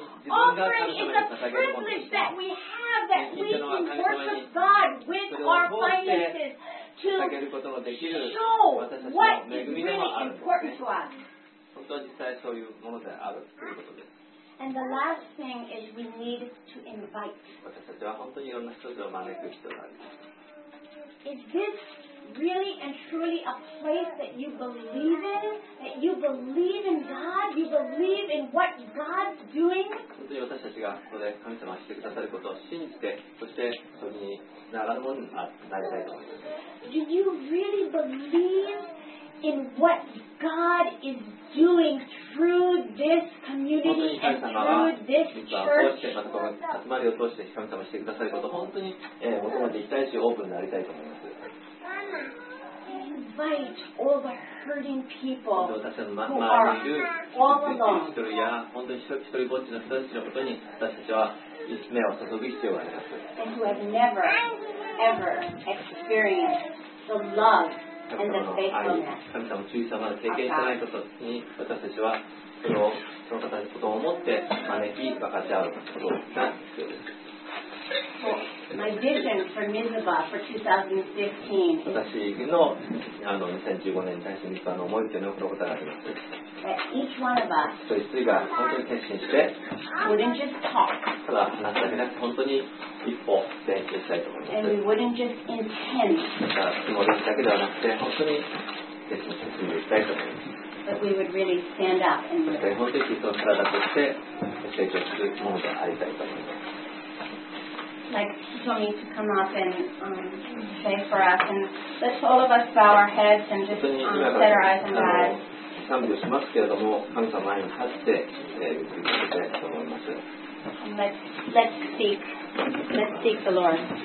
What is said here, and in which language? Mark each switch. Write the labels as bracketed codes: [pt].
[en] Offering is a privilege that we have that we can worship God with our finances to show what is really important to us. [ja] 本当は実際そういうものであるということです。 [en] And the last thing is we need to invite. [ja] 私たちは本当にいろんな人を招く必要があります。 [en] Is this really and truly a place that you believe in? That you believe in God? You believe in what God's doing? [ja] 本当に私たちがここで神様がしてくださることを信じて、そしてそれに習うものになりたいと思います。 [en] Do you really believe? In what God is doing through this community and through this church. [ja] 本当に神様は集まりを通して神様してくださること本当に求めていきたいしオープンになりたいと思います。 [en] Invite all the hurting people who are all alone. [ja] 一人や本当に一人ぼっちの人たちのことに私たちは目を注ぐ必要があります。 [en] And who have never, ever experienced the love. [ja] 神様の忠実さまで経験していないことに私たちはその方のことを思って招き分かち合うことが必要です。 [en] So, my vision for Mizubah for 2015. [ja] 私 の2015年に対してミズバの思いというのはこのことがあります。 [en] Each one of us [ja] 一人一人が本当に決心して、 [en] wouldn't just talk. [ja] ただ話だけなく本当に一歩前進したいと思います。 [en] And we wouldn't just intend. [ja] ただ気持ちだけではなくて本当に決心して進んでいきたいと思います。 [en] But we would really stand up and. [ja] そして本当に人の体として成長するものでありたいと思います。 [en] Like Tony to come up and pray for us, and let's all of us bow our heads and just set our eyes on God. [ja] 賛美をしますけれども神様前に立って行きたいと思います [en] let's seek the Lord